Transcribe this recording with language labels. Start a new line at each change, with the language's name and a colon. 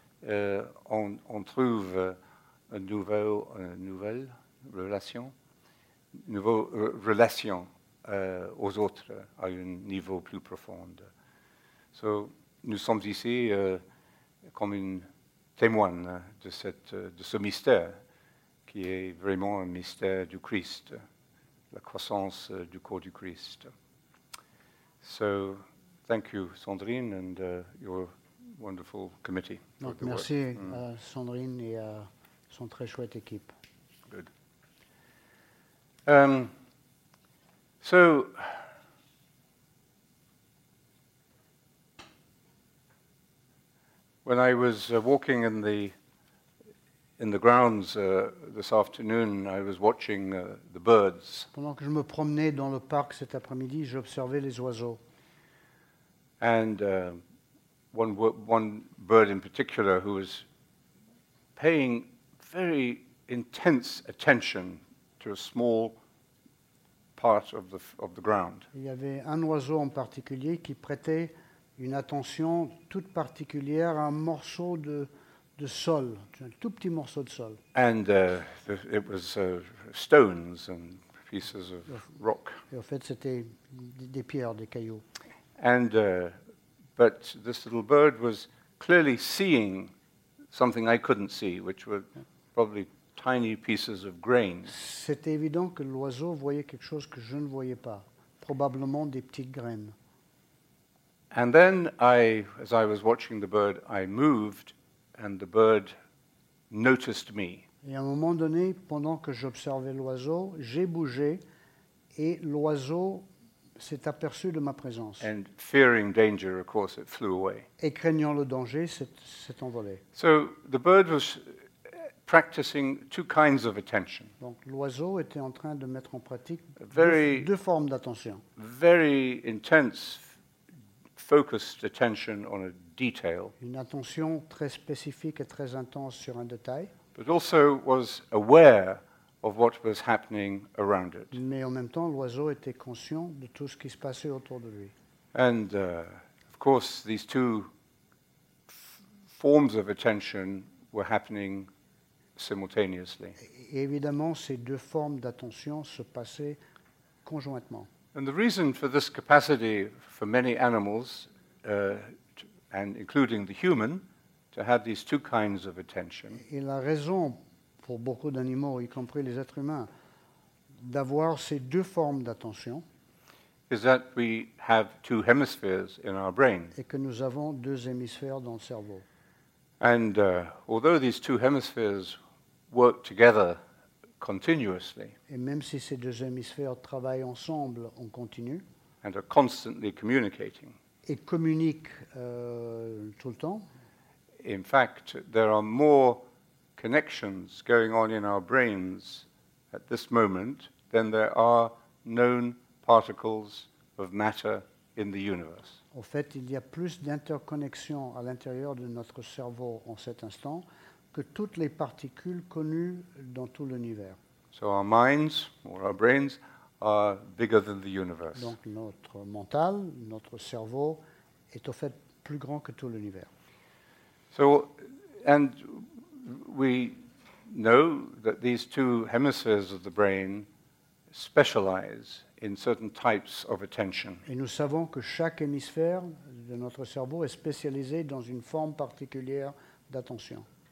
French: on trouve une nouvelle relation, une nouvelle relation aux autres à un niveau plus profond. So, nous sommes ici comme une témoin de ce mystère qui est vraiment un mystère du Christ, la croissance du corps du Christ.
English: So, thank you, Sandrine, and your wonderful committee.
French: Donc, merci, Sandrine, et son très chouette équipe.
English: Good. So, when I was walking in the grounds this afternoon, I was watching the birds.
French: Pendant que je me promenais dans le parc cet après-midi, j'observais les oiseaux.
English: And one bird in particular who was paying very intense attention to a small part of the ground.
French: Il y avait un oiseau en particulier qui prêtait une attention toute particulière à un morceau de sol, un tout petit morceau de sol.
English: And it was stones and pieces of rock.
French: Et en fait, c'était des pierres, des cailloux.
English: And but this little bird was clearly seeing something I couldn't see, which were probably tiny pieces of grain.
French: C'était évident que l'oiseau voyait quelque chose que je ne voyais pas, probablement des petites graines.
English: And then as I was watching the bird, I moved and the bird noticed me.
French: Et à un moment donné, pendant que j'observais l'oiseau, j'ai bougé et l'oiseau s'est aperçu de ma présence.
English: And fearing danger, of course, it flew away.
French: Et craignant le danger, s'est envolé.
English: So the bird was practicing two kinds of attention.
French: Donc l'oiseau était en train de mettre en pratique deux formes d'attention.
English: Very intense, focused attention on a detail.
French: Une attention très spécifique et très intense sur un détail.
English: But also was aware of what was happening around it.
French: Mais en même temps, l'oiseau était conscient de tout ce qui se passait autour de lui.
English: And of course, these two forms of attention were happening simultaneously.
French: Et évidemment, ces deux formes d'attention se passaient conjointement.
English: And the reason for this capacity for many animals, and including the human, to have these two kinds of attention.
French: Et la raison pour beaucoup d'animaux, y compris les êtres humains, d'avoir ces deux formes d'attention.
English: Is that we have two hemispheres in our brain.
French: Et que nous avons deux hémisphères dans le cerveau.
English: And although these two hemispheres work together continuously.
French: Et même si ces deux hémisphères travaillent ensemble en continu.
English: And are constantly communicating.
French: Et communiquent tout le temps.
English: In fact, there are more connections going on in our brains at this moment than there are known particles of matter in the universe.
French: En fait, il y a plus d'interconnexions à l'intérieur de notre cerveau en cet instant que toutes les particules connues dans tout l'univers.
English: So our minds, or our brains, are bigger than the universe.
French: Donc notre mental, notre cerveau, est en fait plus grand que tout l'univers.
English: So, and we know that these two hemispheres of the brain specialize in certain types of attention.
French: Et nous savons que chaque hémisphère de notre cerveau est spécialisé dans une forme particulière d'attention.